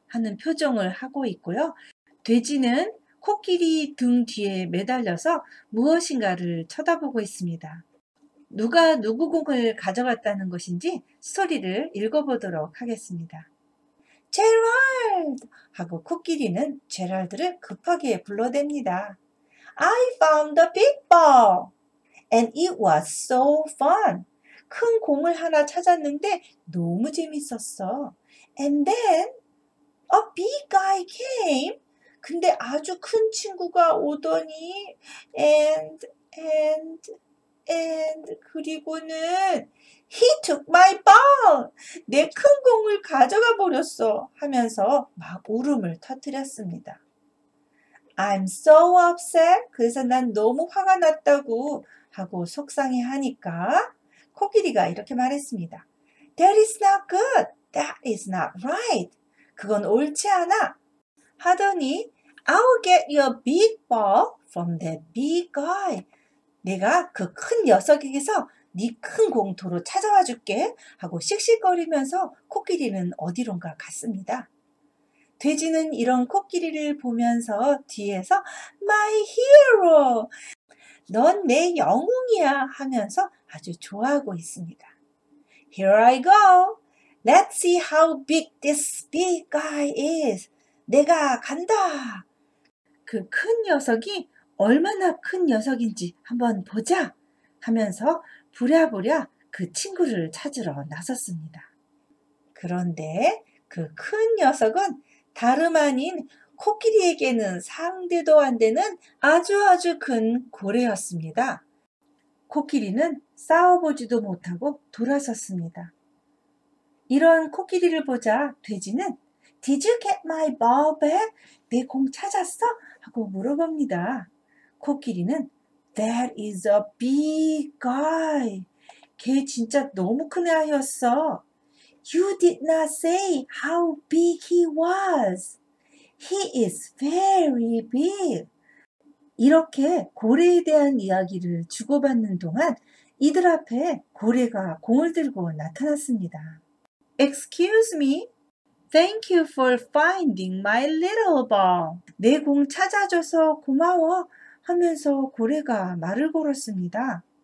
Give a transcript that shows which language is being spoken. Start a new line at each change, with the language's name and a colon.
Korean: 하는 표정을 하고 있고요. 돼지는 코끼리 등 뒤에 매달려서 무엇인가를 쳐다보고 있습니다. 누가 누구 공을 가져갔다는 것인지 스토리를 읽어보도록 하겠습니다. 제랄드! 하고 코끼리는 제랄드를 급하게 불러댑니다.
English: I found a big ball and it was so fun.
Korean: 큰 공을 하나 찾았는데 너무 재밌었어.
English: And then a big guy came.
Korean: 근데 아주 큰 친구가 오더니 and 그리고는
English: he took my ball.
Korean: 내큰 공을 가져가 버렸어. 하면서 막 울음을 터뜨렸습니다.
English: I'm so upset.
Korean: 그래서 난 너무 화가 났다고 하고 속상해 하니까 코끼리가 이렇게 말했습니다.
English: That is not good. That is not right.
Korean: 그건 옳지 않아. 하더니
English: I'll get you a big ball from that big guy.
Korean: 내가 그 큰 녀석에게서 네 큰 공터로 찾아와 줄게 하고 씩씩거리면서 코끼리는 어디론가 갔습니다. 돼지는 이런 코끼리를 보면서 뒤에서
English: My hero!
Korean: 넌내 영웅이야 하면서 아주 좋아하고 있습니다.
English: Here I go. Let's see how big this big guy is.
Korean: 내가 간다. 그 큰 녀석이 얼마나 큰 녀석인지 한번 보자 하면서 부랴부랴 그 친구를 찾으러 나섰습니다. 그런데 그 큰 녀석은 다름 아닌 코끼리에게는 상대도 안 되는 아주 아주 큰 고래였습니다. 코끼리는 싸워보지도 못하고 돌아섰습니다. 이런 코끼리를 보자 돼지는
English: Did you get my ball back?
Korean: 내 공 찾았어? 하고 물어봅니다. 코끼리는
English: That is a big guy.
Korean: 걔 진짜 너무 큰 애였어.
English: You did not say how big he was. He is very big.
Korean: 이렇게 고래에 대한 이야기를 주고받는 동안 이들 앞에 고래가 공을 들고 나타났습니다.
English: Excuse me. Thank you for finding my little ball.
Korean: 내 공 찾아줘서 고마워 하면서 고래가 말을 걸었습니다.